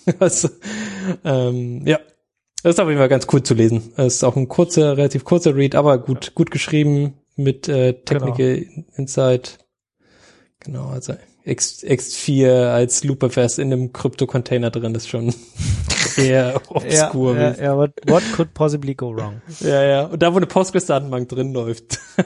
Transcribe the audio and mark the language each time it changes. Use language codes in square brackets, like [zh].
[de] Also, ja. Das ist auf jeden Fall ganz cool zu lesen. Es ist auch ein kurzer, relativ kurzer Read, aber gut, gut geschrieben mit Technical Insight. Genau, also X4 als Looperfest in einem Krypto-Container drin ist schon sehr obskur. [en] Ja, but what could possibly go wrong? [de] Ja, ja. Und da, wo eine Postgres-Datenbank drin läuft.